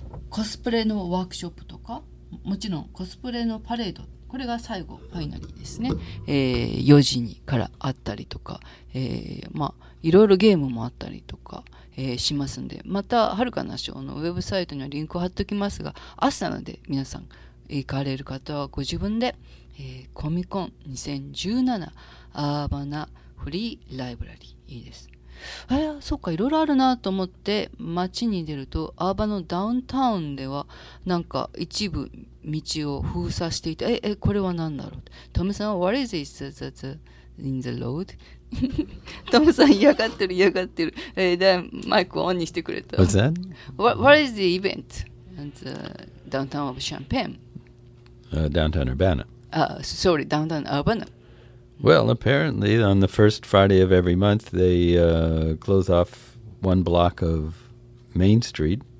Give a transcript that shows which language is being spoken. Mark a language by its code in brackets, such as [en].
[ja] コスプレのワークショップとか、もちろんコスプレのパレード、これが最後ファイナリーですね、4時にからあったりとか、いろいろゲームもあったりとか、しますんで、またはるかなショーのウェブサイトにはリンクを貼っておきますが、明日なので皆さん行かれる方はご自分で、コミコン2017アーバナフリーライブラリー、いいです。そっか、いろいろあるなと思って街に出ると、アーバのダウンタウンではなんか一部道を封鎖していて、ええこれは何だろう。 [en] トムさんは What is this that's in the road? [ja] トムさん嫌がってる嫌がってる、マイクをオンにしてくれた。 [en] What's that? What is the event in the downtown of Champaign? Downtown Urbana. Sorry, downtown Urbana. Well, apparently, on the first Friday of every month, they close off one block of Main Street.